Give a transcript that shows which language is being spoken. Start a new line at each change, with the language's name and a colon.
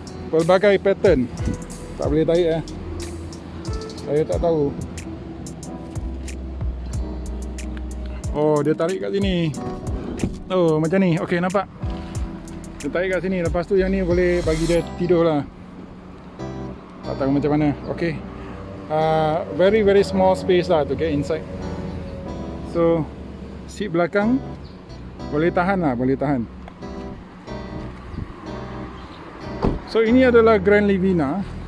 Malay: Pelbagai pattern. Tak boleh tarik, eh. Saya tak tahu. Oh, dia tarik kat sini. Oh, macam ni. Okey, nampak. Dia tarik kat sini. Lepas tu yang ni boleh bagi dia tidur lah. Tak tahu macam mana. Okey.
English: Very very small space lah to get inside.
Malay: So seat belakang boleh tahan lah, boleh tahan. So ini adalah Grand Livina.